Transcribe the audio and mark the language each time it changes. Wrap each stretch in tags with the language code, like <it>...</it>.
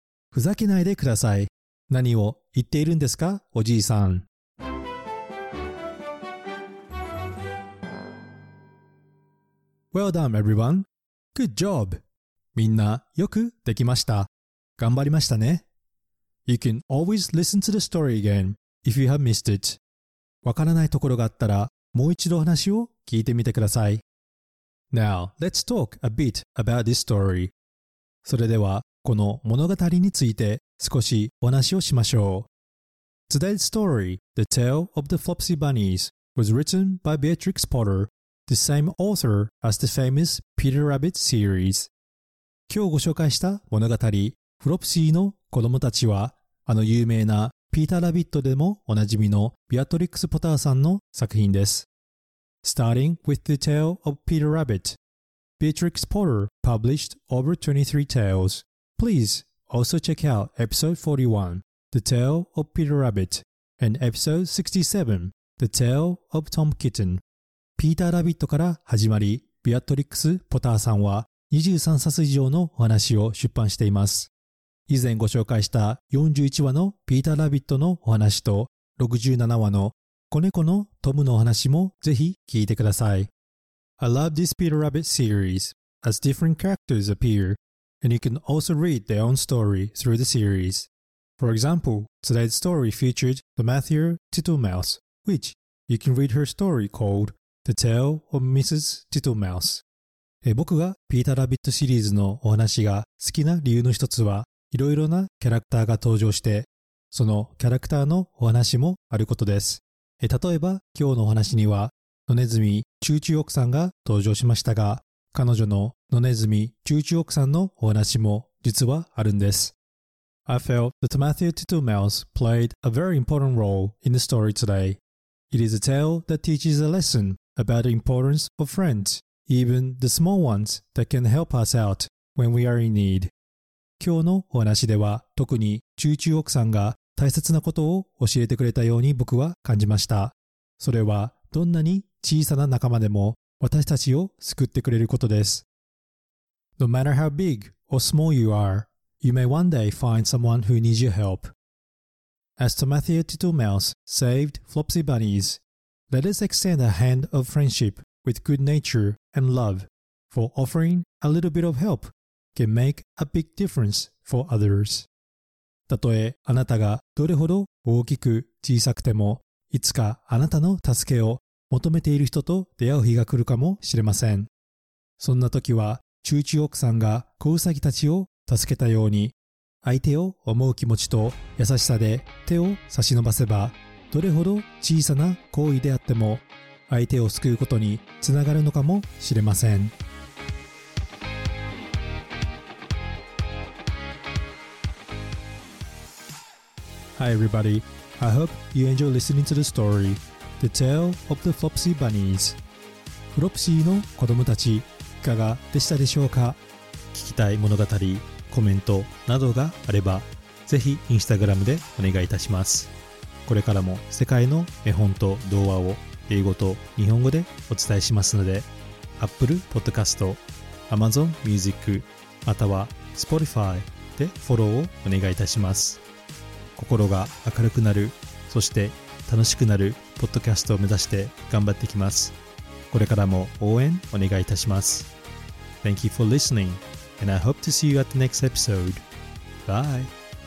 <ja>ふざけないでください。何を言っているんですか、おじいさん。</ja> <en>Well done, everyone. Good job.</en> <ja>みんなよくできました。頑張りましたね。</ja> <en>You can always listen to the story again if you have missed it.</en> <ja>わからないところがあったら、もう一度話を聞いてみてください。</ja> <en>Now, let's talk a bit about this story.</en> <ja>それでは、この物語について少しお話をしましょう。</ja> <en>Today's story, The Tale of the Flopsy Bunnies, was written by Beatrix Potter, the same author as the famous Peter Rabbit series.</en> <ja>今日ご紹介した物語、フロプシーの子供たちは、あの有名なピーター・ラビットでもおなじみのビアトリックス・ポターさんの作品です。</ja> <en>Starting with the tale of Peter Rabbit, Beatrix Potter published over 23 tales. Please also check out episode 41, The Tale of Peter Rabbit, and episode 67, The Tale of Tom Kitten.</en> <ja>ピーター・ラビットから始まり、ビアトリックス・ポターさんは23冊以上のお話を出版しています。以前ご紹介した41話のピーター・ラビットのお話と67話の子猫のトムのお話もぜひ聞いてください。</ja> <en>I love this Peter Rabbit series as different characters appear and you can also read their own story through the series. For example, today's story featured the Matthew Tittlemouse, which you can read her story called The Tale of Mrs. Tittlemouse.</en> <ja>僕がピーター・ラビットシリーズのお話が好きな理由の一つはいろいろなキャラクターが登場して、そのキャラクターのお話もあることです。例えば今日のお話には、野ネズミチューチュー奥さんが登場しましたが、彼女の野ネズミチューチュー奥さんのお話も実はあるんです。</ja> <en>I felt that Matthew Tittlemouse played a very important role in the story today. It is a tale that teaches a lesson about the importance of friends, even the small ones that can help us out when we are in need.</en> <ja>今日のお話では、特にチューチュー奥さんが大切なことを教えてくれたように僕は感じました。それは、どんなに小さな仲間でも私たちを救ってくれることです。</ja> <en>No matter how big or small you are, you may one day find someone who needs your help. As Tomathia Tittlemouse saved Flopsy Bunnies, let us extend a hand of friendship with good nature and love for offering a little bit of help. Can make a big difference for others.</en> <ja>たとえあなたがどれほど大きく小さくても、いつかあなたの助けを求めている人と出会う日が来るかもしれません。そんな時は、チューチュー奥さんが子ウサギたちを助けたように、相手を思う気持ちと優しさで手を差し伸ばせば、どれほど小さな行為であっても、相手を救うことにつながるのかもしれません。</ja> <en>Hi everybody, I hope you enjoy listening to the story, The Tale of the Flopsy Bunnies.</en> <ja>フロプシーの子供たち、いかがでしたでしょうか？聞きたい物語、コメントなどがあれば、ぜひインスタグラムでお願いいたします。これからも世界の絵本と童話を英語と日本語でお伝えしますので、Apple Podcast、Amazon Music、または Spotify でフォローをお願いいたします。心が明るくなる、そして楽しくなるポッドキャストを目指して頑張っていきます。これからも応援お願いいたします。</ja> <en>Thank you for listening, and I hope to see you at the next episode. Bye!</en>